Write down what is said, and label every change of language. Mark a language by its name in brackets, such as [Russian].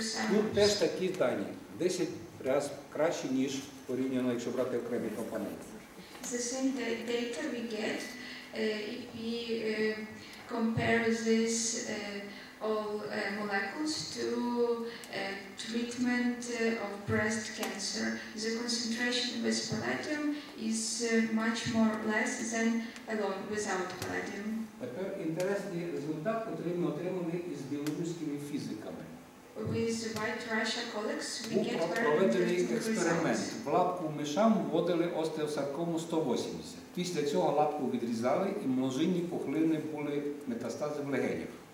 [Ukrainian] Тут теж такі дані, 10 раз краще, ніж порівняно, якщо брати окремі компоненти. [English] The same data we get, if we compare this all molecules to treatment of breast cancer, the concentration with palladium is much more less than alone without palladium. [Ukrainian] Тепер інтересний результат, який ми отримали із білоруськими фізиками. [English] With White Russia colleagues, we get very [Ukrainian] проведений експеримент. В лапку мишам вводили остеосаркому 180. Після цього лапку відрізали, і множинні пухлини були метастази в легенях.